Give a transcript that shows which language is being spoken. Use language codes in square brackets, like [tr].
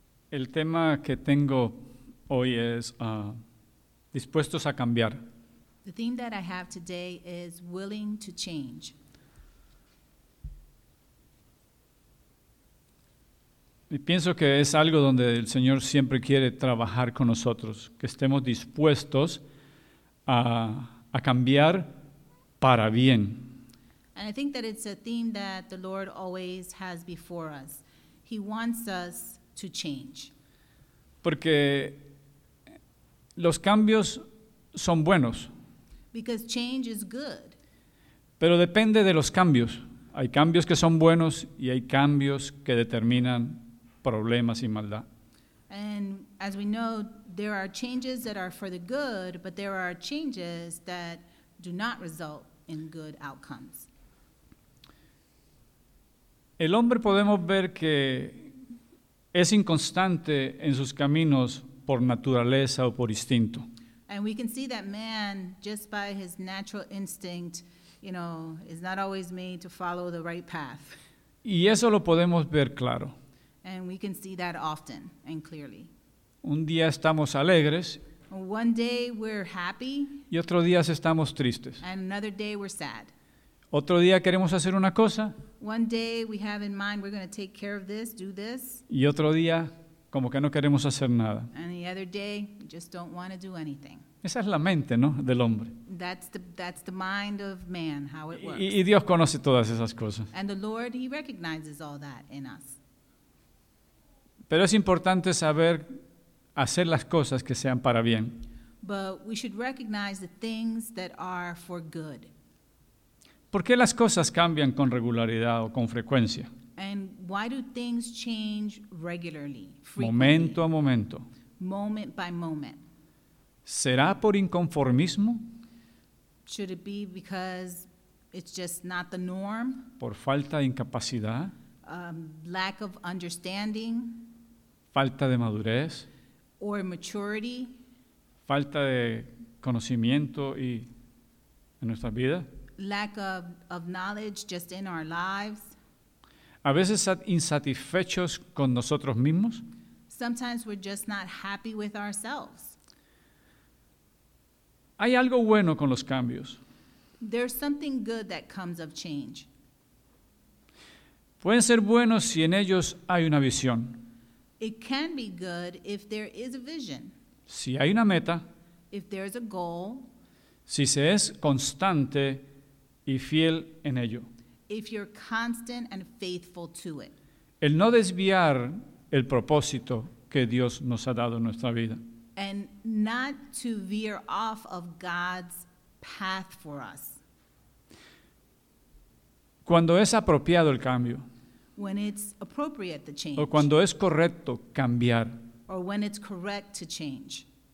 [es] El tema que tengo hoy es dispuestos a cambiar. [en] The theme that I have today is willing to change. [es] Y pienso que es algo donde el Señor siempre quiere trabajar con nosotros, que estemos dispuestos a cambiar para bien. [en] And I think that it's a theme that the Lord always has before us. He wants us to change. [es] Porque los cambios son buenos. [en] Because change is good. [es] Pero depende de los cambios. Hay cambios que son buenos y hay cambios que determinan problemas y maldad. [en] And as we know, there are changes that are for the good, but there are changes that do not result in good outcomes. [es] El hombre podemos ver que es inconstante en sus caminos por naturaleza o por instinto. [en] And we can see that man, just by his natural instinct, you know, is not always made to follow the right path. [es] Y eso lo podemos ver claro. [en] And we can see that often and clearly. [es] Un día estamos alegres. [en] One day we're happy. [es] Y otro día estamos tristes. [en] And another day we're sad. [es] Otro día queremos hacer una cosa. [en] One day we have in mind we're going to take care of this, do this. [es] Y otro día como que no queremos hacer nada. [en] And the other day we just don't want to do anything. [es] Esa es la mente, ¿no?, del hombre. [en] That's the mind of man, how it works. [es] Y Dios conoce todas esas cosas. [en] And the Lord, he recognizes all that in us. [es] Pero es importante saber hacer las cosas que sean para bien. [en] But we should recognize the things that are for good. [es] ¿Por qué las cosas cambian con regularidad o con frecuencia? [en] And why do things change regularly, frequently? [es] Momento a momento. [en] Moment by moment. [es] ¿Será por inconformismo? [en] Should it be because it's just not the norm? [es] ¿Por falta de incapacidad? [en] Lack of understanding. [es] Falta de madurez. [en] Or maturity. [es] Falta de conocimiento y en nuestra vida. [en] Lack of knowledge just in our lives. [es] A veces insatisfechos con nosotros mismos. [en] Sometimes we're just not happy with ourselves. [es] Hay algo bueno con los cambios. [en] There's something good that comes of change. [es] Pueden ser buenos si en ellos hay una visión. [en] It can be good if there is a vision. [es] Si hay una meta. [en] If there is a goal. [es] Si se es constante y fiel en ello. [en] If you're constant and faithful to it. [es] El no desviar el propósito que Dios nos ha dado en nuestra vida. [en] And not to veer off of God's path for us. [es] Cuando es apropiado el cambio. [en] When it's appropriate to change. [es] O cuando es correcto cambiar. [en] Or when it's correct to change.